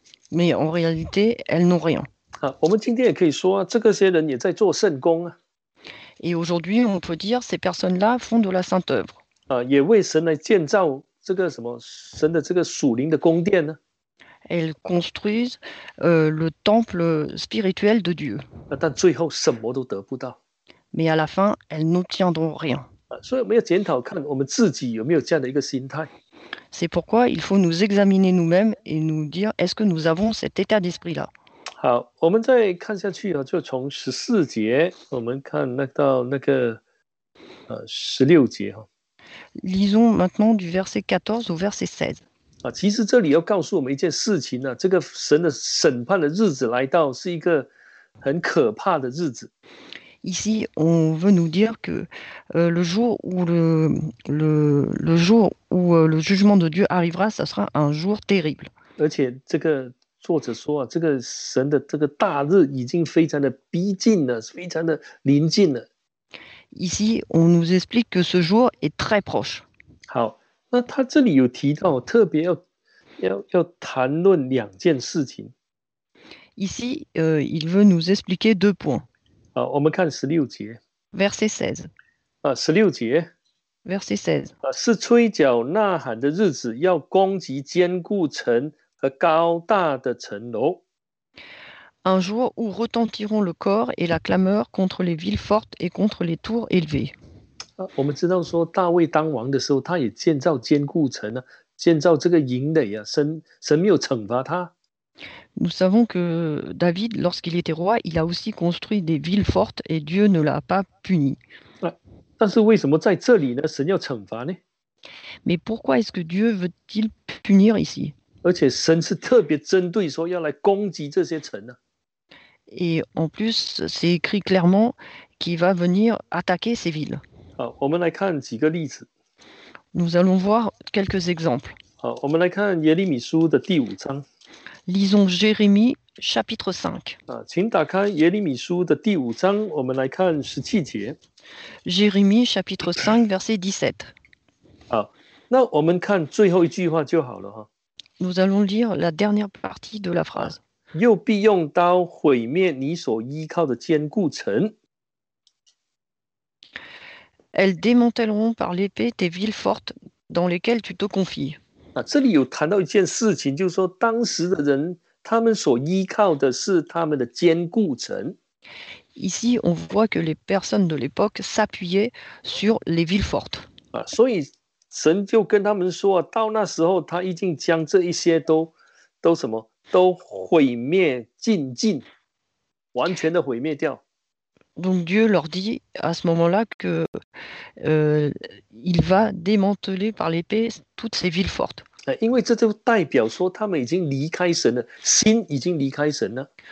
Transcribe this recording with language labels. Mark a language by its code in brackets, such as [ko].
[fr] Mais en réalité, elles n'ont rien. [zh] 我们今天也可以说啊，这个些人也在做圣工啊。 [fr] Et aujourd'hui, on peut dire ces personnes-là font de la sainte œuvre. [zh] 也为神来建造这个什么神的这个属灵的宫殿呢、啊。 [fr] Elles construisent le temple spirituel de Dieu. [zh] 但最后什么都得不到。 [fr] Mais à la fin, elles n'obtiendront rien. [zh] 所以我们要检讨看我们自己有没有这样的一个心态。 [fr] C'est pourquoi il faut nous examiner nous-mêmes et nous dire est-ce que nous avons cet état d'esprit-là. [zh] 好，我们再看下去啊，就从十四节我们看那到那个十六节哈。 [fr] Lisons maintenant du verset 14 au verset 16. [zh] 其实这里要告诉我们一件事情呢、啊，这个神的审判的日子来到，是一个很可怕的日子。 [fr] Ici, on veut nous dire que le jour où le jugement de Dieu arrivera, ça sera un jour terrible. [zh] 而且这个作者说啊，这个神的这个大日已经非常的逼近了，非常的临近了。 [fr] Ici, on nous explique que ce jour est très proche. [zh] 好。那他这里有提到特别要要谈论两件事情。 [fr] Ici, il veut nous expliquer deux points. [zh] On me kan 16 节. [fr] Verset 16. [zh] 16 节. [fr] Verset 16. [zh] 是吹角呐喊的日子，要攻击坚固城和高大的城楼。 [fr] Un jour où retentiront le cor et la clameur contre les villes fortes et contre les tours élevées. [zh] 我们知道说大卫当王的时候，他也建造坚固城啊，建造这个营垒啊，神没有惩罚他。 [fr] Nous savons que David, lorsqu'il était roi, il a aussi construit des villes fortes et Dieu ne l'a pas puni. [zh] 但是为什么在这里呢？神要惩罚呢？ [fr] Mais pourquoi est-ce que Dieu veut-il punir ici? [zh] 而且神是特别针对说要来攻击这些城啊。 [fr] Et en plus, c'est écrit clairement qu'il va venir attaquer ces villes. [zh] 好，我们来看几个例子。 [fr] Nous allons voir quelques exemples. [zh] 好，我们来看耶利米书的第五章。 [fr] Lisons Jérémie, chapitre 5. [zh] 请打开耶利米书的第五章，我们来看十七节。 [fr] Jérémie, chapitre 5, verset 17. [zh] 好，那我们看最后一句话就好了。 [fr] Nous allons lire la dernière partie de la phrase. [zh] 又必用刀毁灭你所依靠的坚固城。 [fr] Elles démantèleront par l'épée tes villes fortes dans lesquelles tu te confies. [zh] 这里有谈到一件事情，就是说当时的人他们所依靠的是他们的坚固城。 [fr] Ici, on voit que les personnes de l'époque s'appuyaient sur les villes fortes. [zh] 所以神就跟他们说，到那时候他已经将这一些都什么都毁灭尽尽，完全的毁灭掉。 [fr] Donc Dieu leur dit à ce moment-là qu'il va démanteler par l'épée toutes ces villes fortes. [zh] 因为这就代表说他们已经离开神了，心已经离开神了。